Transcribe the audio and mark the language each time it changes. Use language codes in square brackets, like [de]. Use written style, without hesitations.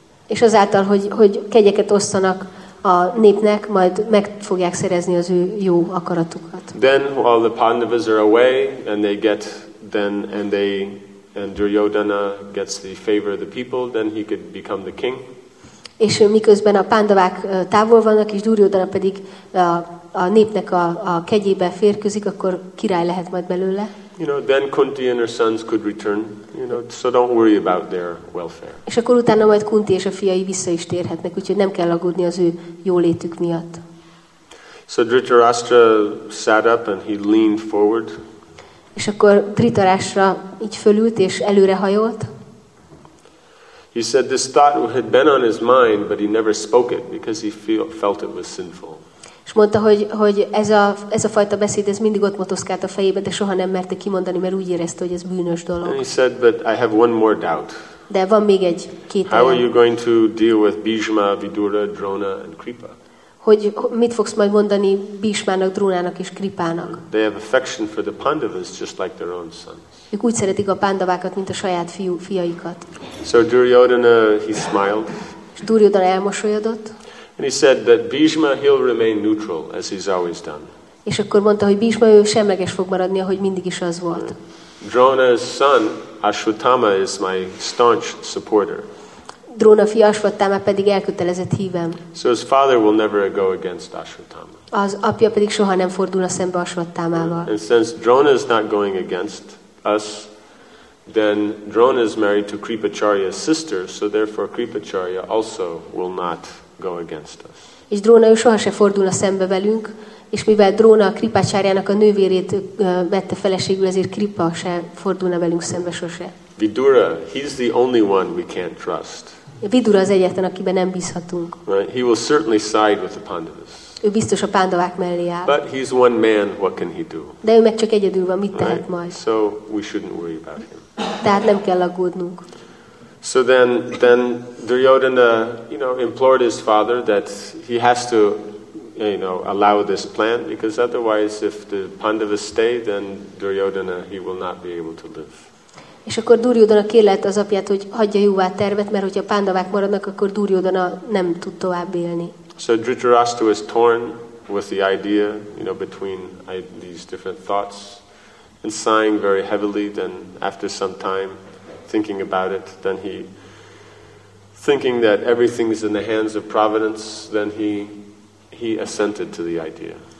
[hu] És azáltal, hogy kegyeket osztanak a népnek, majd meg fogják szerezni az ő jó akaratukat. [en] Then while the Pandavas are away and they get then and they and Duryodhana gets the favor of the people, then he could become the king. [hu] És miközben a Pandavák távol vannak, és Duryodhana pedig a népnek a kegyébe férkőzik, akkor király lehet majd belőle. [en] You know, then Kunti and her sons could return. You know, so don't worry about their welfare. [hu] És akkor utána majd Kunti és a fiai vissza is térhetnek, úgyhogy nem kell aggódni az ő jólétük miatt. [en] So Dhritarashtra sat up and he leaned forward. [hu] És akkor Dhritarashtra így fölült és előre hajolt. [en] He said this thought had been on his mind, but he never spoke it because he felt it was sinful. [hu] És mondta, hogy ez a fajta beszéd, ez mindig ott motoszkált a fejébe, de soha nem merte kimondani, mert úgy érezte, hogy ez bűnös dolog. [en] And he said, but I have one more doubt. [hu] De van még egy kétel. [en] How are you going to deal with Bhishma, Vidura, Drona and Kripa? [hu] Hogy mit fogsz majd mondani Bhishmának, Drónának és Kripának? [en] They have affection for the Pandavas just like their own sons. [hu] Ők úgy szeretik a Pandavákat, mint a saját fiaikat. [en] So Duryodhana, he smiled. [hu] És Duryodhana elmosolyodott. [en] And he said that Bhishma, he'll remain neutral as he's always done. [hu] És akkor mondta, hogy Bhishma ő semleges fog maradni, ahogy mindig is az volt. [en] Drona's son, Ashwatthama, is my staunch supporter. [hu] Drona fia Ashwatthama pedig elkötelezett hívem. [en] So his father will never go against Ashwatthama. [hu] Az apja pedig soha nem fordulna szembe Ashwatthamával. [en] And since Drona is not going against us, then Drona is married to Kripacharya's sister, so therefore Kripacharya also will not go against us. [hu] és Dróna ő sohasem fordulna szembe velünk, és mivel Dróna a Kripácsárjának a nővérét vette feleségül, ezért Kripa se fordulna velünk szembe sose. [en] Vidura, he's the only one we can't trust. [hu] Vidura az egyetlen, akiben nem bízhatunk. [en] Right? He will certainly side with the Pandavas. [hu] Ő biztos a Pándavák mellé áll. [en] But he's one man, what can he do? [hu] De ő meg csak egyedül van, mit tehet majd? [en] So we shouldn't worry about him. [hu] Tehát nem kell aggódnunk. [en] So then Duryodhana, you know, implored his father that he has to, you know, allow this plan, because otherwise if the Pandavas stay, then Duryodhana, he will not be able to live. [hu] És akkor Duryodhana kérlelte az apját, hogy hagyja jóvá a tervet, mert hogyha a Pándavák maradnak, akkor Duryodhana nem tud tovább élni. [en] So Dhritarashtra was torn with the idea, you know, between these different thoughts, and sighing very heavily. Then after some time thinking about it, then he, thinking that everything is in the hands of providence, then he assented to the idea.